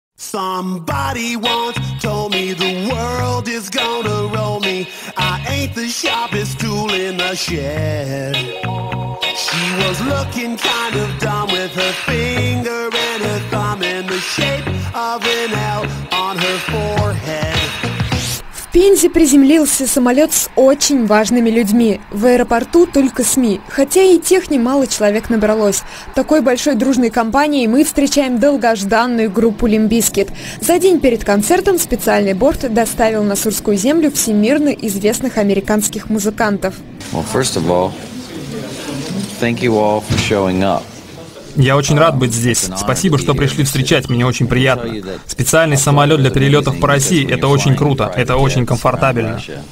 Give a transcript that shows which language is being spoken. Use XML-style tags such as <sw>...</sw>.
<en>Somebody once told me the world is gonna roll me. I ain't the sharpest tool in the shed. She was looking kind of dumb with her finger and her thumb in the shape of an L on her forehead.</en> <ru>В Пензе приземлился самолет с очень важными людьми. В аэропорту только СМИ, хотя и тех немало человек набралось. Такой большой дружной компанией мы встречаем долгожданную группу Limp Bizkit. За день перед концертом специальный борт доставил на Сурскую землю всемирно известных американских музыкантов.</ru> <en>Well, first of all, thank you all for showing up.</en> <ru>Я очень рад быть здесь. Спасибо, что пришли встречать. Мне очень приятно. Специальный самолет для перелетов по России. Это очень круто. Это очень комфортабельно.</ru>